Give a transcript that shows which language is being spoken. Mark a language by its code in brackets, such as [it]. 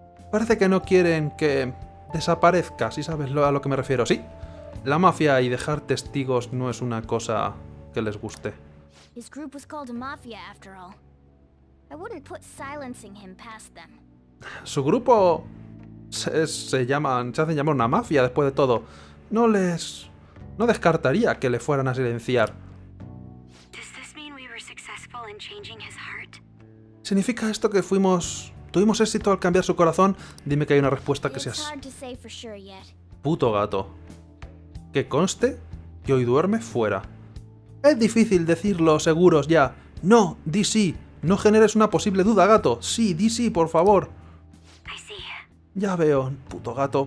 [es] Parece que no quieren que desaparezca, si sabes a lo que me refiero. Sí, la mafia y dejar testigos no es una cosa que les guste. [en] His group was called a mafia, after all. I wouldn't put silencing him past them. [es] Su grupo se hacen llamar una mafia después de todo. No descartaría que le fueran a silenciar. [en] Does this mean we were successful in changing his heart? [es] ¿Significa esto que tuvimos éxito al cambiar su corazón? Dime que hay una respuesta que seas... [en] hard to say for sure yet. [es] Puto gato. Que conste que hoy duerme fuera. Es difícil decirlo seguros ya. No, DC. No generes una posible duda, gato. Sí, di sí, por favor. Ya veo, puto gato.